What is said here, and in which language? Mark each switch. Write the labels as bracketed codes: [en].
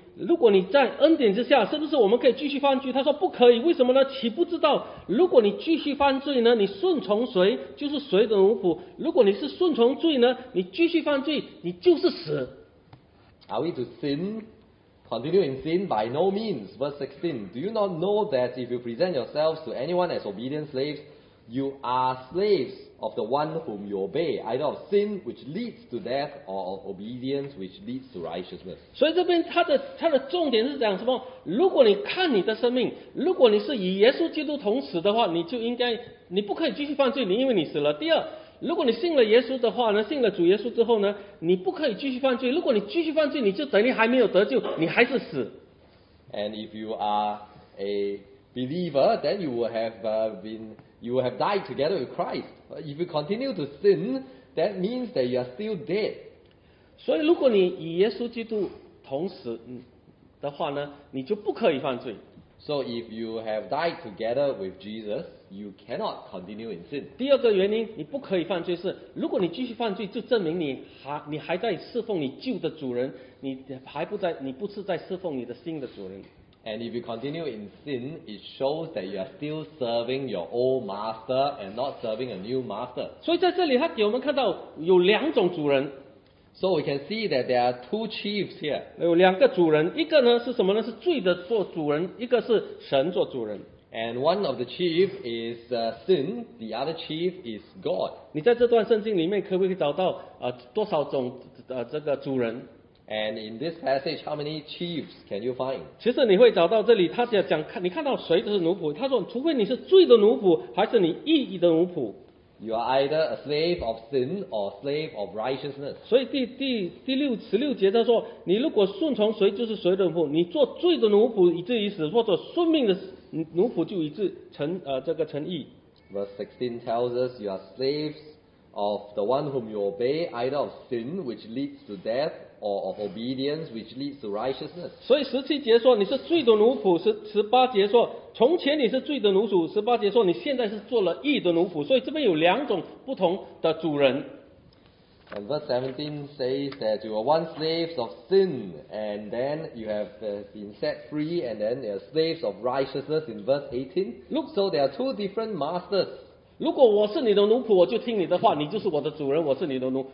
[zh] 如果你在恩典之下，是不是我们可以继续犯罪？他说不可以，为什么呢？岂不知道，如果你继续犯罪呢，你顺从谁就是谁的奴仆；如果你是顺从罪呢，你继续犯罪，你就是死。 [en] Are we to sin? Continue in sin? By no means. Verse 16. Do you not know that if you present yourselves to anyone as obedient slaves, you are slaves of the one whom you obey, either of sin which leads to death or of obedience which leads to righteousness. [zh] 所以这边他的重点是讲什么？如果你看你的生命，如果你是与耶稣基督同死的话，你就应该，你不可以继续犯罪，因为你死了。第二，如果你信了耶稣的话呢，信了主耶稣之后呢，你不可以继续犯罪。如果你继续犯罪，你就等于还没有得救，你还是死。 [en] And if you are a believer, then you will have died together with Christ. If you continue to sin, that means that you are still dead. [zh] 所以如果你与耶稣基督同死的话呢，你就不可以犯罪。 [en] So if you have died together with Jesus, you cannot continue in sin. [zh] 第二个原因，你不可以犯罪是，如果你继续犯罪，就证明你还在侍奉你旧的主人，你不是在侍奉你的新的主人。 [en] And if you continue in sin, it shows that you are still serving your old master and not serving a new master. [zh] 所以在这里，他给我们看到有两种主人。 [en] So we can see that there are two chiefs here. [zh] 有两个主人，一个呢是什么呢？是罪的做主人，一个是神做主人。 [en] And one of the chief is sin, the other chief is God. [zh] 你在这段圣经里面可不可以找到多少种这个主人？ [en] And in this passage, how many chiefs can you find? [zh] 其实你会找到这里，他讲你看到谁是奴仆？他说，除非你是罪的奴仆，还是你义的奴仆。 [en] You are either a slave of sin or slave of righteousness. [zh] 所以第十六节他说，你如果顺从谁就是谁的奴仆，你做罪的奴仆以至于死，或者顺命的奴仆就以致成义。 [en] Verse 16 tells us you are slaves of the one whom you obey, either of sin which leads to death. Or of obedience which leads to righteousness. [zh] 所以十七节说你是罪的奴仆，十八节说从前你是罪的奴仆，十八节说你现在是做了义的奴仆。所以这边有两种不同的主人。 [en] And verse 17 says that you were once slaves of sin, and then you have been set free, and then you are slaves of righteousness. In verse 18, look, so there are two different masters. [zh] 如果我是你的奴仆，我就听你的话，你就是我的主人，我是你的奴。